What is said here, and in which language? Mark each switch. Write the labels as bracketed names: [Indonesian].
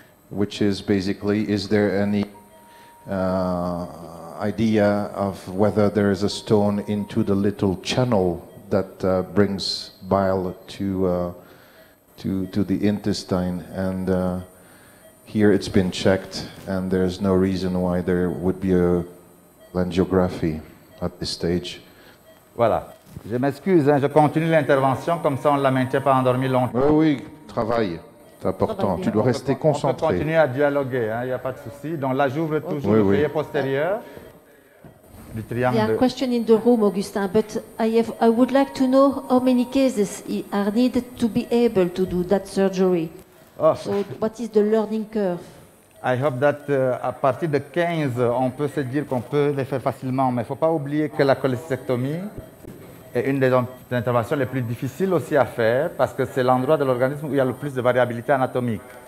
[English] Which is basically, is there any idea of whether there is a stone into the little channel that brings bile to the intestine? And here it's been checked, and there's no reason why there would be a angiography at this stage. [French] Voilà. Je m'excuse, hein, je continue l'intervention, comme ça on ne la maintient pas endormie longtemps. Oui, oui, travaille. C'est important, tu dois rester concentré. On peut continuer à dialoguer, hein, il n'y a pas de souci. Donc là, j'ouvre toujours le feuillet postérieur du triangle. Il y a une question [English] in the room, Augustin, but I would like to know how many cases are needed to be able to do that surgery. Oh. So what is the learning curve? I hope that [French] à partir de 15, on peut se dire qu'on peut les faire facilement, mais il ne faut pas oublier que la cholecystectomie est une des interventions les plus difficiles aussi à faire parce que c'est l'endroit de l'organisme où il y a le plus de variabilité anatomique.